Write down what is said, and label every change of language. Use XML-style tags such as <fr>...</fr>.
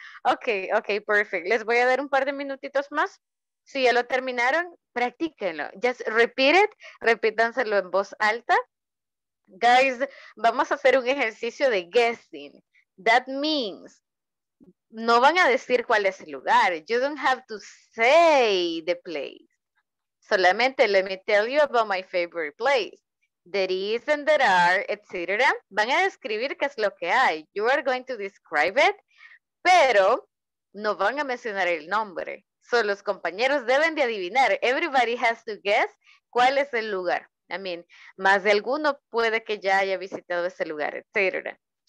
<es>Ok, ok, perfect. Les voy a dar un par de minutitos más. Si ya lo terminaron, practíquenlo. Just repeat it, repítanselo en voz alta. Guys, vamos a hacer un ejercicio de guessing. That means, no van a decir cuál es el lugar.</es> <en>You don't have to say the place. Solamente let me tell you about my favorite place. There is and there are, etc.</en> <es>Van a describir qué es lo que hay.</es> <en>You are going to describe it, pero no van a mencionar el nombre.</en> <es>So los compañeros deben de adivinar. Everybody has to guess cuál es el lugar. I mean, más de alguno puede que ya haya visitado ese lugar, etc.</es>